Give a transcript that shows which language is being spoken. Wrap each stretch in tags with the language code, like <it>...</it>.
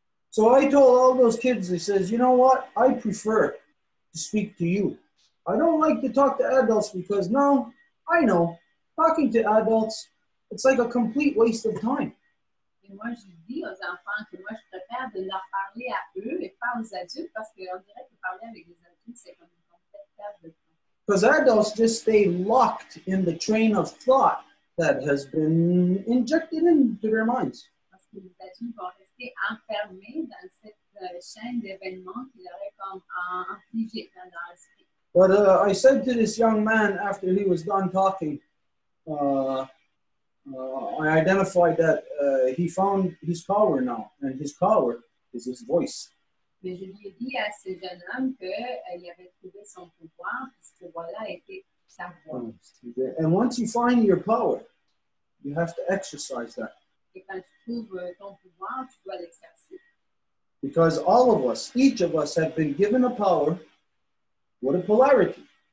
<en>So I told all those kids, he says, you know what? I prefer to speak to you. I don't like to talk to adults because now I know talking to adults, it's like a complete waste of time.</en> <fr>Et moi, je dis aux enfants que moi, je préfère de leur parler à eux et pas aux adultes parce qu'on dirait que parler avec les adultes, c'est comme une complète perte de temps.</fr> <en>Because adults just stay locked in the train of thought that has been injected into their minds.</en> <fr>Parce que les adultes vont rester enfermés dans cette chaîne d'événements qu'ils auraient comme infligé dans leur esprit.</fr> <en>But I said to this young man after he was done talking, I identified that he found his power now, and his power is his voice.</en> <fr>Mais je lui ai dit à ce jeune homme qu'il avait trouvé son pouvoir, parce que voilà était sa voix.</fr> <en>And once you find your power, you have to exercise that.</en> <fr>Et quand tu trouves ton pouvoir, tu dois l'exercer.</fr> <en>Because all of us, each of us, have been given a power with a polarity.</en>